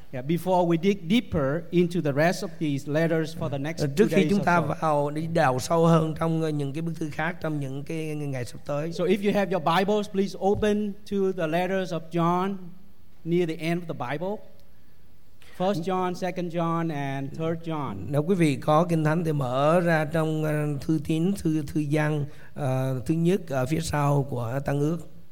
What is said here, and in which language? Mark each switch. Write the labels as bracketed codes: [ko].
[en] Yeah, before we dig deeper into the rest of these letters for the next. [vi] Trước khi chúng ta vào đi đào sâu hơn trong những cái bức thư khác trong những cái ngày sắp tới. [en] So if you have your Bibles, please open to the letters of John near the end of the Bible. 1 John, 2 John and 3 John. [vi] Nếu quý vị có Kinh Thánh thì mở ra trong thư tín thư Giăng thứ nhất ở phía sau của Tân Ước.